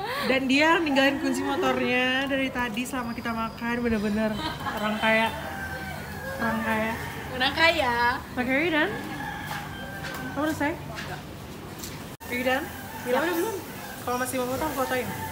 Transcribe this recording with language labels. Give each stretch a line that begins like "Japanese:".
Indonesian: Dan dia ninggalin kunci motornya dari tadi selama kita makan, bener-bener orang kaya. Orang kaya. Orang kaya.
English: Okay, are you done?
Indonesian: Kamu udah selesai?
English: Are you done?
Indonesian: Ya. Kamu udah belum? Kalau masih mau foto, aku fotoin.